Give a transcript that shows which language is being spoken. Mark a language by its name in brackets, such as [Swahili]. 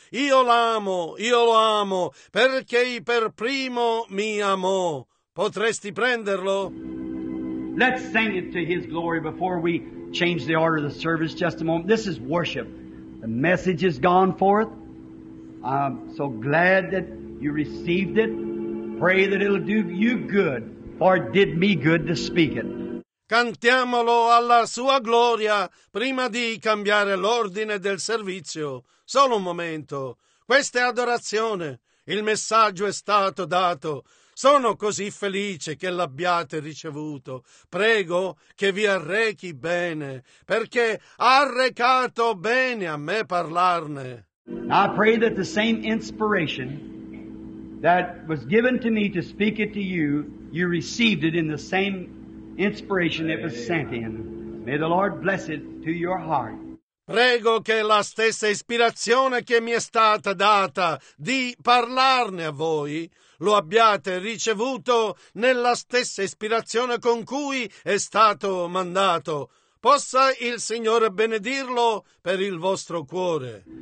[Italian] Io lo amo, perché per primo mi amò. Potresti prenderlo? [English] Let's sing it to his glory before we change the order of the service just a moment. This is worship. The message has gone forth. I'm so glad that you received it. Pray that it'll do you good, for it did me good to speak it. [Italian] Cantiamolo alla sua gloria prima di cambiare l'ordine del servizio. Solo un momento. Questa è adorazione. Il messaggio è stato dato. Sono così felice che l'abbiate ricevuto. Prego che vi arrechi bene, perché ha arrecato bene a me parlarne. [English] I pray that the same inspiration that was given to me to speak it to you, you received it in the same inspiration that was sent in. May the Lord bless it to your heart. [Italian] Prego che la stessa ispirazione che mi è stata data di parlarne a voi lo abbiate ricevuto nella stessa ispirazione con cui è stato mandato. Possa il Signore benedirlo per il vostro cuore.